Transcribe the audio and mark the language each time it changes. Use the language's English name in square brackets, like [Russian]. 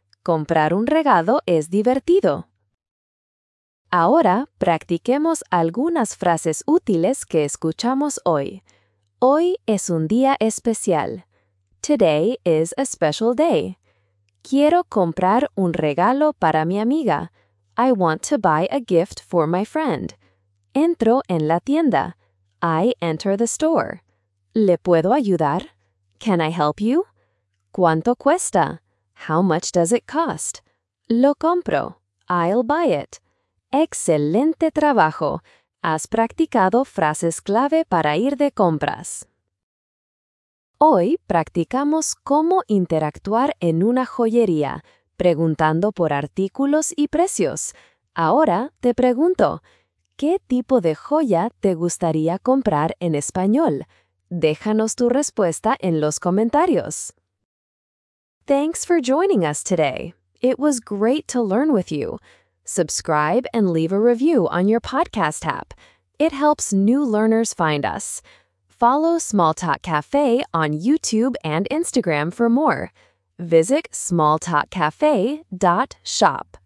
[Spanish] Comprar un regalo es divertido. Ahora, practiquemos algunas frases útiles que escuchamos hoy. Hoy es un día especial. [English] Today is a special day. [Spanish] Quiero comprar un regalo para mi amiga. [English] I want to buy a gift for my friend. [Spanish] Entro en la tienda. [English] I enter the store. [Spanish] ¿Le puedo ayudar? [English] Can I help you? [Spanish] ¿Cuánto cuesta? [English] How much does it cost? [Spanish] Lo compro. [English] I'll buy it. [Spanish] ¡Excelente trabajo! Has practicado frases clave para ir de compras. Hoy practicamos cómo interactuar en una joyería, preguntando por artículos y precios. Ahora te pregunto, ¿qué tipo de joya te gustaría comprar en español? Déjanos tu respuesta en los comentarios. [English] Thanks for joining us today. It was great to learn with you. Subscribe and leave a review on your podcast app. It helps new learners find us. Follow Small Talk Cafe on YouTube and Instagram for more. Visit smalltalkcafe.shop.